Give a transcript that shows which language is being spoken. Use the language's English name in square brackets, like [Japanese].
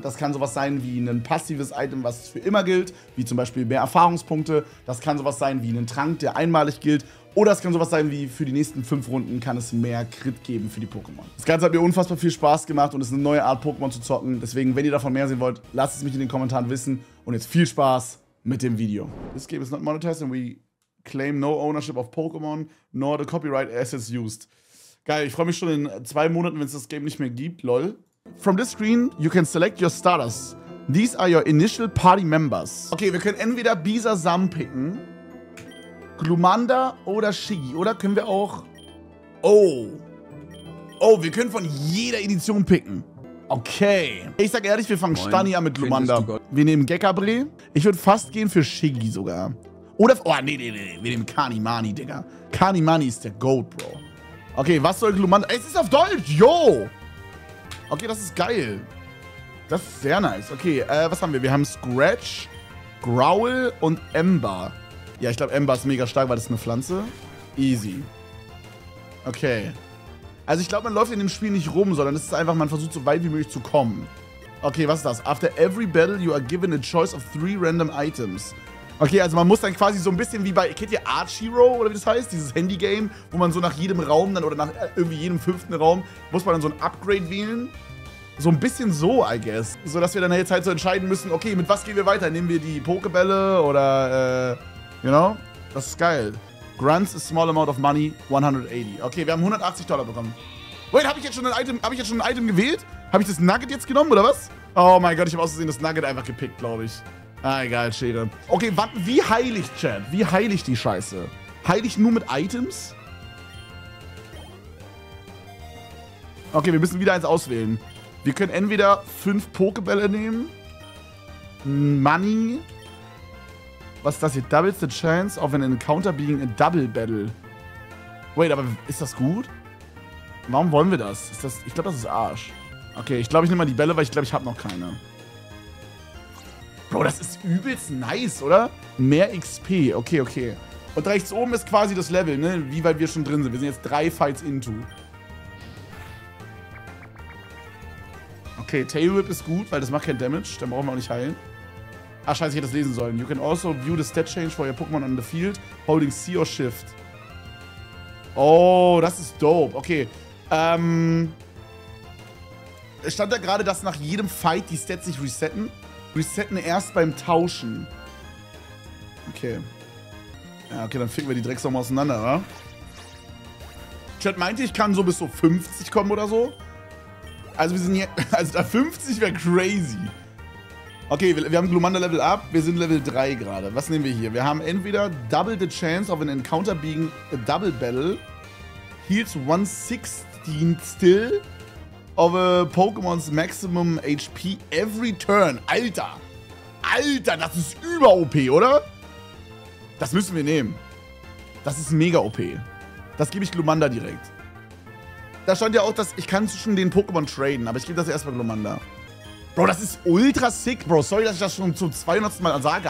[German] Das kann sowas sein wie ein passives Item, was für immer gilt, wie zum Beispiel mehr Erfahrungspunkte. Das kann sowas sein wie ein Trank, der einmalig gilt. Oder es kann sowas sein wie, für die nächsten 5 Runden kann es mehr Crit geben für die Pokémon. Das Ganze hat mir unfassbar viel Spaß gemacht und ist eine neue Art Pokémon zu zocken. Deswegen, wenn ihr davon mehr sehen wollt, lasst es mich in den Kommentaren wissen. Und jetzt viel Spaß mit dem Video. [English] This game is not monetized and we claim no ownership of Pokémon, nor the copyright assets used. [German] Geil, ich freue mich schon in 2 Monaten, wenn es das Game nicht mehr gibt, lol. [English] From this screen, you can select your starters. These are your initial party members. [German] Okay, wir können entweder Bisasam picken. Glumanda oder Shiggy, oder können wir auch... Oh. Oh, wir können von jeder Edition picken. Okay. Ich sag ehrlich, wir fangen Stani an mit Glumanda. Wir nehmen Gekabre. Ich würde fast gehen für Shiggy sogar. Oder... Oh, nee. Wir nehmen Kanimani, Digga. Kanimani ist der Goat, Bro. Okay, was soll Glumanda... Es ist auf Deutsch, yo. Okay, das ist geil. Das ist sehr nice. Okay, was haben wir? Wir haben Scratch, Growl und Ember. Ja, ich glaube, Ember ist mega stark, weil das ist eine Pflanze. Easy. Okay. Also ich glaube, man läuft in dem Spiel nicht rum, sondern es ist einfach, man versucht so weit wie möglich zu kommen. Okay, was ist das? [English] After every battle, you are given a choice of 3 random items. [German] Okay, also man muss dann quasi so ein bisschen wie bei, kennt ihr Archiro oder wie das heißt? Dieses Handy-Game, wo man so nach jedem Raum dann oder nach irgendwie jedem 5. Raum, muss man dann so ein Upgrade wählen. So ein bisschen so, [English] I guess. [German] So, dass wir dann jetzt halt so entscheiden müssen, okay, mit was gehen wir weiter? Nehmen wir die Pokebälle oder, [English] you know? [German] Das ist geil. [English] Grants a small amount of money, 180. [German] Okay, wir haben $180 bekommen. Wait, habe ich jetzt schon ein Item gewählt? Habe ich das Nugget jetzt genommen, oder was? Oh mein Gott, ich habe ausgesehen das Nugget einfach gepickt, glaube ich. Ah, egal, Schäde. Okay, wann, wie heilig, Chat? Wie heilig die Scheiße? Heilig nur mit Items? Okay, wir müssen wieder eins auswählen. Wir können entweder 5 Pokebälle nehmen. Money. Was ist das hier? [English] Doubles the chance of an encounter being a double battle. [German] Wait, aber ist das gut? Warum wollen wir das? Ist das, ich glaube, das ist Arsch. Okay, ich glaube, ich nehme mal die Bälle, weil ich glaube, ich habe noch keine. Bro, das ist übelst nice, oder? Mehr XP. Okay, okay. Und rechts oben ist quasi das Level, ne? Wie weit wir schon drin sind. Wir sind jetzt 3 Fights into. Okay, Tail Whip ist gut, weil das macht kein Damage. Dann brauchen wir auch nicht heilen. Ah, scheiße, ich hätte das lesen sollen. [English] You can also view the stat change for your Pokémon on the field, holding C or Shift. [German] Oh, das ist dope. Okay. Es stand da gerade, dass nach jedem Fight die Stats sich resetten. Resetten erst beim Tauschen. Okay. Ja, okay, dann ficken wir die Drecksau mal auseinander, oder? Chat meinte, ich kann so bis so 50 kommen oder so. Also wir sind hier. Also da 50 wäre crazy. Okay, wir haben Glumanda Level Up. Wir sind Level 3 gerade. Was nehmen wir hier? Wir haben entweder [English] Double the Chance of an Encounter being a Double Battle. Heals 1/16 still of a Pokémon's Maximum HP every turn. [German] Alter! Alter, das ist über OP, oder? Das müssen wir nehmen. Das ist mega OP. Das gebe ich Glumanda direkt. Da stand ja auch, dass ich kann zwischen den Pokémon traden, aber ich gebe das erstmal Glumanda. Bro, das ist ultra sick, Bro. Sorry, dass ich das schon zum 200. Mal sage.